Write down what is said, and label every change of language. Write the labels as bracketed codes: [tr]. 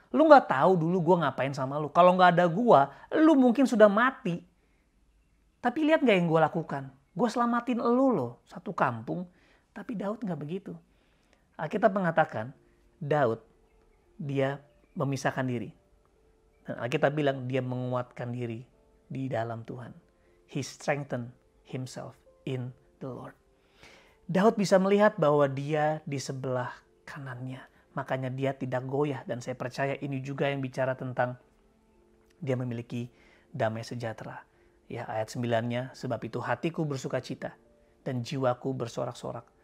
[id] Lu nggak tahu dulu gue ngapain sama lu. Kalau nggak ada gue, lu mungkin sudah mati. Tapi lihat nggak yang gue lakukan? Gue selamatin lu loh, satu kampung. Tapi Daud nggak begitu. Alkitab mengatakan, Daud, dia memisahkan diri. Dan Alkitab bilang, dia menguatkan diri di dalam Tuhan. [en] He strengthened himself in the Lord. [id] Daud bisa melihat bahwa dia di sebelah kanannya. Makanya dia tidak goyah. Dan saya percaya ini juga yang bicara tentang dia memiliki damai sejahtera. Ya, ayat 9-nya, sebab itu hatiku bersuka cita dan jiwaku bersorak-sorak.